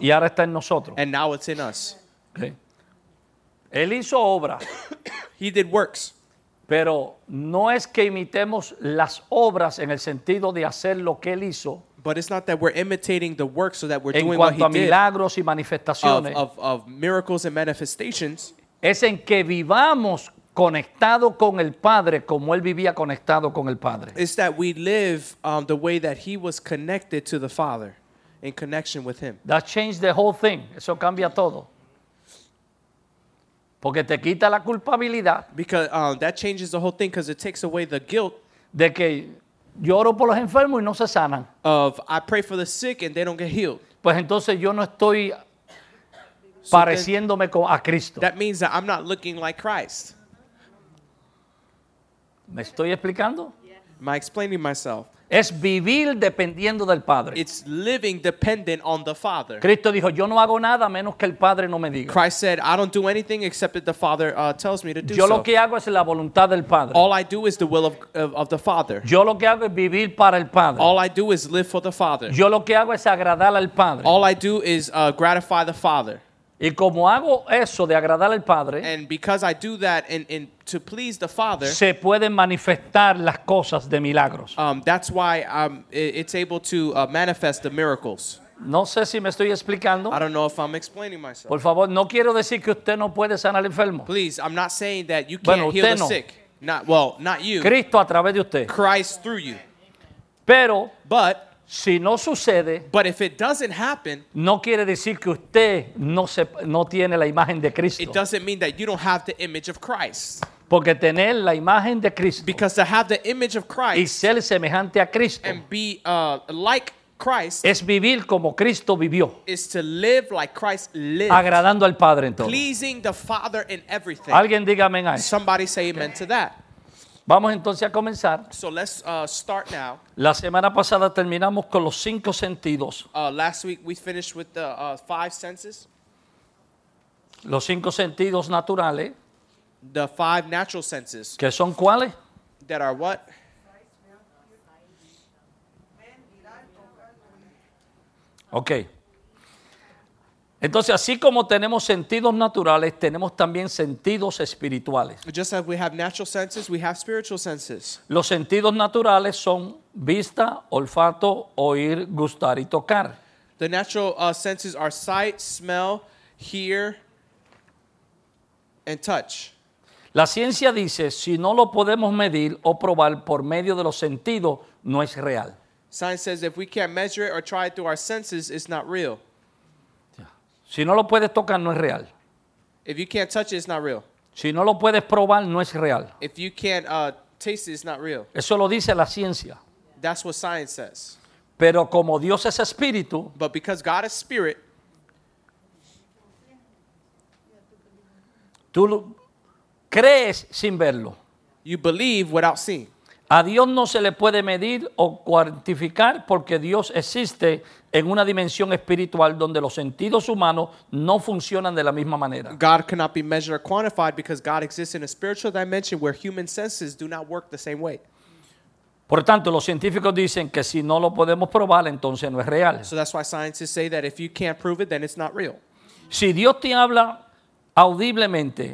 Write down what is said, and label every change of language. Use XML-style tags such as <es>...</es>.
<es>Y ahora está en nosotros.</es> <en>And now it's in us.</en> <es>Okay? Él hizo obras.</es> <en>He did works.</en> <es>Pero no es que imitemos las obras en el sentido de hacer lo que él hizo.</es> <en>But it's not that we're imitating the work so that we're doing what he</en> <es>did. En cuanto a milagros y manifestaciones.</es> <en>Of miracles and manifestations.</en> <es>Es en que vivamos conectado con el Padre como él vivía conectado con el Padre.</es> <en>It's that we live the way that he was connected to the Father in connection with him. That changed the whole thing.</en> <es>Eso cambia todo. Porque te quita la culpabilidad.</es> <en>Because that changes the whole thing because it takes away the guilt.</en> <es>De que lloro por los enfermos y no se sanan.</es> <en>Of I pray for the sick and they don't get healed.</en> <es>Pues entonces yo no estoy pareciéndome a Cristo.</es> <en>That means that I'm not looking like Christ.</en> <es>¿Me estoy explicando?</es> <en>Am I explaining myself?</en> <es>Es vivir dependiendo del Padre.</es> <en>It's living dependent on the Father.</en> <es>Cristo dijo, yo no hago nada menos que el Padre no me diga.</es> <en>Christ said, I don't do anything except that the Father tells me to do</en> <es>yo</es> <en>so.</en> <es>Lo que hago es la voluntad del Padre.</es> <en>All I do is the will of the Father.</en> <es>Yo lo que hago es vivir para el Padre.</es> <en>All I do is live for the Father.</en> <es>Yo lo que hago es agradar al Padre.</es> <en>All I do is gratify the Father.</en> <es>Y como hago eso de agradar al Padre,</es> <en>and because I do that in to please the Father,</en> <es>se pueden manifestar las cosas de milagros.</es> <en>That's why it's able to manifest the miracles.</en> <es>No sé si me estoy explicando.</es> <en>I don't know if I'm explaining myself.</en> <es>Por favor, no quiero decir que usted no puede sanar al enfermo.</es> <en>Please, I'm not saying that you can't</en> <es>bueno,</es> <en>heal the</en> <es>no.</es> <en>sick. Not well, not you.</en> <es>Cristo a través de usted.</es> <en>Christ through you.</en> <es>Pero,</es> <en>but</en> <es>si no sucede,</es> <en>but if it doesn't happen,</en> <es>no quiere decir que usted no tiene la imagen de Cristo.</es> <en>It doesn't mean that you don't have the image of Christ.</en> <es>Porque tener la imagen de Cristo,</es> <en>because to have the image of Christ,</en> <es>y ser semejante a Cristo,</es> <en>and be like Christ,</en> <es>es vivir como Cristo vivió,</es> <en>is to live like Christ lived,</en> <es>agradando al Padre en todo,</es> <en>pleasing the Father in everything.</en> <es>Alguien diga amén a eso.</es> <en>Somebody say amen okay. to that.</en> <es>Vamos entonces a comenzar.</es> <en>So let's start now.</en> <es>La semana pasada terminamos con los cinco sentidos.</es> <en>Last week we finished with the five senses.</en> <es>Los cinco sentidos naturales.</es> <en>The five natural senses.</en> <es>¿Qué son cuáles?</es> <en>That are what? Okay.</en> <es>Entonces, así como tenemos sentidos naturales, tenemos también sentidos espirituales.</es> <en>Just as we have natural senses, we have spiritual senses.</en> <es>Los sentidos naturales son vista, olfato, oír, gustar y tocar.</es> <en>The natural senses are sight, smell, hear, and touch.</en> <es>La ciencia dice, si no lo podemos medir o probar por medio de los sentidos, no es real.</es> <en>Science says, if we can't measure it or try it through our senses, it's not real.</en> <es>Si no lo puedes tocar, no es real.</es> <en>If you can't touch it, it's not real.</en> <es>Si no lo puedes probar, no es real.</es> <en>If you can't taste it, it's not real.</en> <es>Eso lo dice la ciencia.</es> <en>That's what science says.</en> <es>Pero como Dios es espíritu,</es> <en>but because God is spirit,</en> <es>tú crees sin verlo.</es> <en>You believe without seeing.</en> <es>A Dios no se le puede medir o cuantificar porque Dios existe en una dimensión espiritual donde los sentidos humanos no funcionan de la misma manera.</es> <en>God cannot be measured or quantified because God exists in a spiritual dimension where human senses do not work the same way.</en> <es>Por tanto, los científicos dicen que si no lo podemos probar, entonces no es real.</es> <en>So that's why scientists say that if you can't prove it, then it's not real.</en> <es>Si Dios te habla audiblemente,</es>